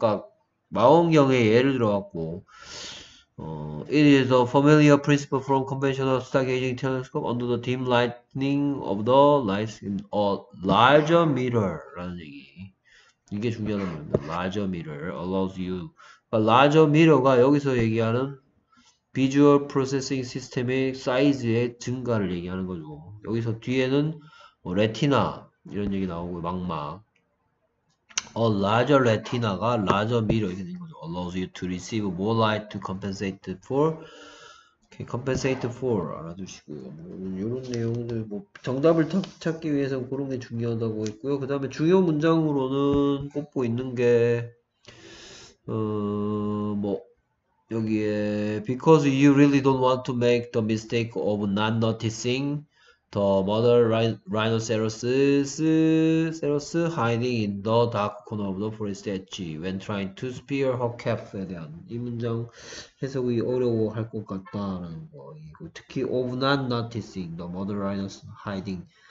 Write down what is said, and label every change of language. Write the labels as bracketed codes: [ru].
[ko] 그러니까 망원경의 예를 들어갖고 [en] It is a familiar principle from conventional stargazing telescope under the dim lighting of the lights in a larger mirror [ko] 라는 얘기. 이게 중요한 겁니다. [en] Larger mirror allows you. [ko] 그러니까 larger mirror가 여기서 얘기하는 비주얼 프로세싱 시스템의 사이즈의 증가를 얘기하는 거죠. 여기서 뒤에는 뭐 레티나 이런 얘기 나오고 망막. [en] A larger retina가 larger mirror [ko] 이렇게 된 거죠. [en] Allows you to receive more light to compensate for. Okay, compensate for [ko] 알아두시고요. 뭐 이런 내용들 뭐 정답을 찾기 위해서 그런 게 중요하다고 했고요. 그다음에 중요 문장으로는 꼽고 있는 게뭐 여기에 [en] because you really don't want to make the mistake of not noticing the mother rhinoceros hiding in the dark corner of the forest edge when trying to spear her calf [ko] 에 대한 이 문장 해석이 어려워할 것 같다라는 거 이거 특히 [en] of not noticing the mother rhinoceros hiding